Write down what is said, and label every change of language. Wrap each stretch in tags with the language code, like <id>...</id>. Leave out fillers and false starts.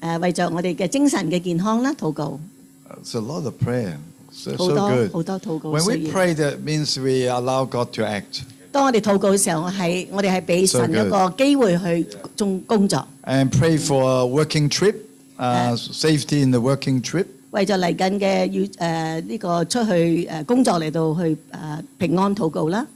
<yue>為咗我哋嘅精神嘅健康啦，禱告。</yue> <en>It's a lot of prayer. So good.</en> <yue>好多好多禱告。</yue> <en>When we pray, that means we allow God to act.</en> <yue>当我哋祷告嘅时候，我哋系俾神一个机会去做工作。</yue> <en>And pray for a working trip, safety in the working trip.</en> <yue>为咗嚟紧嘅要呢个出去工作嚟到去平安祷告啦。</yue>